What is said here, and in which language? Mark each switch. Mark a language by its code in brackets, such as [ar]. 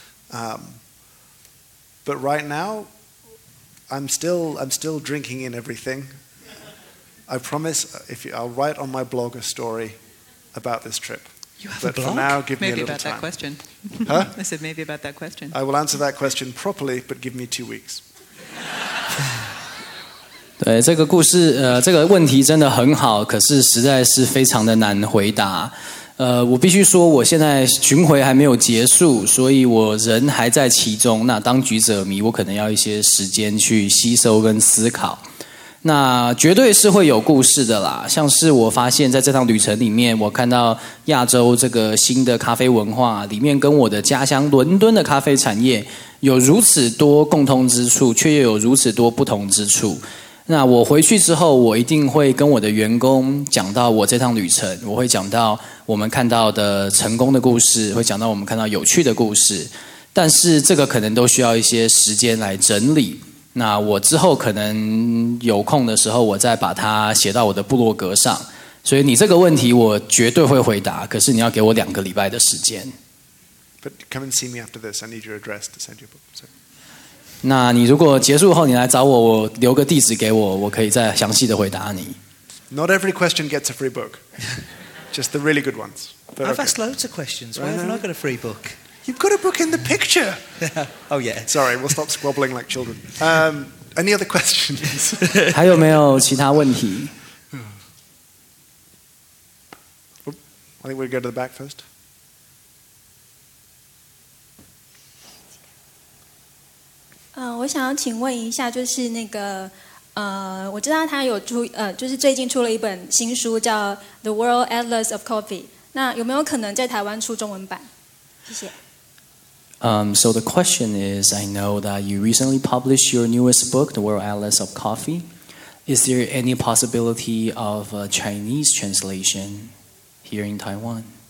[en] But right now, I'm still drinking in everything. I promise, I'll write on my blog a story about this trip. You have but a blog? For now, give maybe me a little about time. That question. Huh? I said maybe about that question. I will answer that question properly, but give me 2 weeks. [zh] 对这个故事，这个问题真的很好，可是实在是非常的难回答。我必须说，我现在巡回还没有结束，所以我人还在其中。那当局者迷，我可能要一些时间去吸收跟思考。那绝对是会有故事的啦，像是我发现在这趟旅程里面，我看到亚洲这个新的咖啡文化里面跟我的家乡伦敦的咖啡产业有如此多共通之处，却又有如此多不同之处。那我回去之后，我一定会跟我的员工讲到我这趟旅程，我会讲到我们看到的成功的故事，会讲到我们看到有趣的故事，但是这个可能都需要一些时间来整理。那我之后可能有空的时候，我再把它写到我的部落格上。所以你这个问题我绝对会回答，可是你要给我两个礼拜的时间。 [en] But come and see me after this. I need your address to send you a book. So... [zh] 那你如果结束后你来找我，我留个地址给我，我可以再详细的回答你。 [en] Not every question gets a free book, just the really good ones. But I've asked loads of questions. Why haven't I got a free book? You've got a book in the picture. Oh yeah. Sorry, we'll stop squabbling like children. Any other questions? [zh] 还有没有其他问题？ [en] I think we'll go to the back first. [zh] 我想要请问一下，就是那个，我知道他有出，就是最近出了一本新书，叫《The World Atlas of Coffee》。那有没有可能在台湾出中文版？谢谢。 [en] So the question is, I know that you recently published your newest book, The World Atlas of Coffee. Is there any possibility of a Chinese translation here in Taiwan?